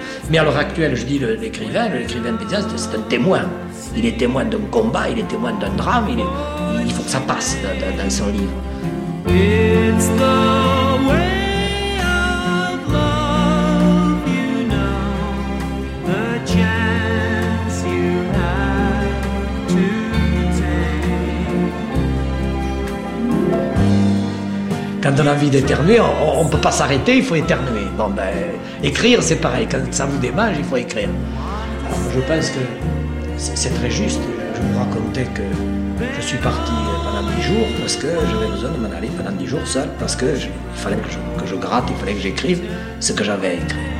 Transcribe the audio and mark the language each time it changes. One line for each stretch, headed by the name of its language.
French: Mais à l'heure actuelle, je dis l'écrivain paysan, c'est un témoin. Il est témoin d'un combat, il est témoin d'un drame, il faut que ça passe dans son livre.
English: It's the way of love, you know, the chance you have to take.
French: Quand on a envie d'éternuer, on ne peut pas s'arrêter, il faut éternuer. Bon ben, écrire c'est pareil, quand ça vous démange, il faut écrire. Alors, je pense que c'est très juste, je vous racontais que je suis parti pendant 10 jours parce que j'avais besoin de m'en aller pendant 10 jours seul parce que il fallait que je gratte, il fallait que j'écrive ce que j'avais à écrire.